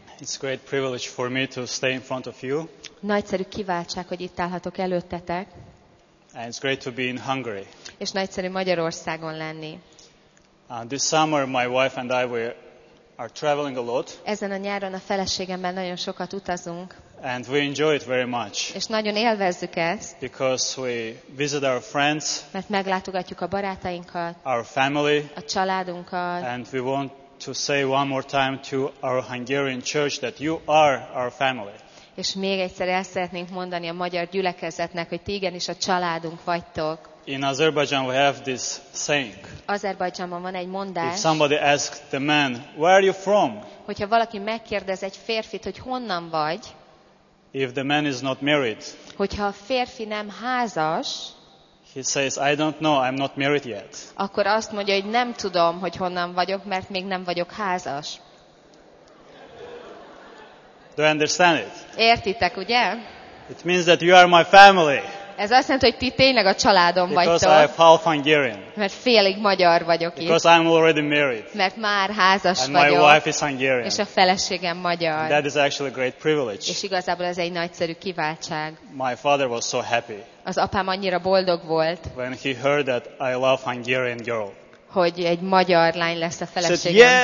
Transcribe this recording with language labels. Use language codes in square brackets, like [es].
[en] It's a great privilege for me to stay in front of you. [hu] Nagyszerű kiváltság, hogy itt állhatok előttetek. [en] And it's great to be in Hungary. [hu] És nagyszerű Magyarországon lenni. [en] This summer my wife and I are traveling a lot. [hu] Ezen a nyáron a feleségemmel nagyon sokat utazunk. [en] And we enjoy it very much. [hu] És nagyon élvezzük ezt. [en] Because we visit our friends. [hu] Mert meglátogatjuk a barátainkat. [en] Our family. [hu] A családunkat. [en] And we want to say one more time to our Hungarian church that you are our family. [hu] És még egyszer el szeretnénk mondani a magyar gyülekezetnek, hogy ti igenis a családunk vagytok. [en] In Azerbaijan we have this saying. [hu] Azerbaijanban van egy mondás. [en] If somebody asks the man, where are you from? [hu] Hogyha valaki megkérdez egy férfit, hogy honnan vagy? [en] If the man is not married. [hu] Hogyha a férfi nem házas. [en] He says, I don't know, I'm not married yet. [hu] Akkor azt mondja, hogy nem tudom, hogy honnan vagyok, mert még nem vagyok házas. [en] Do you understand it? [hu] Értitek, ugye? [en] It means that you are my family. [hu] Ez azt jelenti, hogy ti tényleg a családom vagytok. [en] Because I'm half Hungarian. [hu] Mert félig magyar vagyok itt. [en] Because I'm already married. [hu] Mert már házas [en] and [hu] vagyok. [en] My wife is Hungarian. [hu] És a feleségem magyar. [en] That is actually a great privilege. [hu] És igazából ez egy nagyszerű kiváltság. [en] My father was so happy. [hu] Az apám annyira boldog volt. [en] When he heard that I love Hungarian girl. [hu] Hogy egy magyar lány lesz a feleségem.